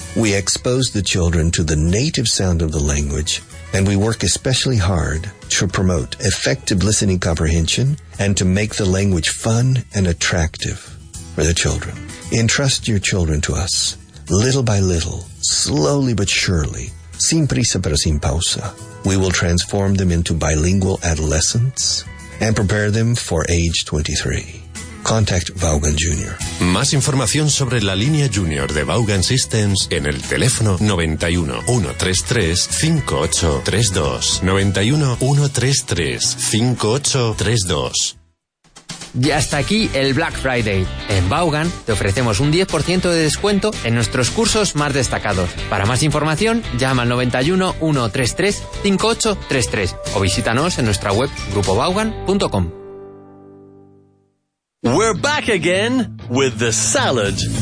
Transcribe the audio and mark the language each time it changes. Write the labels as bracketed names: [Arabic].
[English] We expose the children to the native sound of the language, and we work especially hard to promote effective listening comprehension and to make the language fun and attractive for the children. Entrust your children to us, little by little, slowly but surely, [Spanish] sin prisa pero sin pausa. [English] We will transform them into bilingual adolescents and prepare them for age 23. Contact Vaughan Jr. [Spanish] Más información sobre la línea Junior de Vaughan Systems en el teléfono 91-133-5832. 91-133-5832. Y hasta aquí el Black Friday. En Vaughan te ofrecemos un 10% de descuento en nuestros cursos más destacados. Para más información, llama al 91-133-5833 o visítanos en nuestra web grupovaughan.com. [English] We're back again with the salad.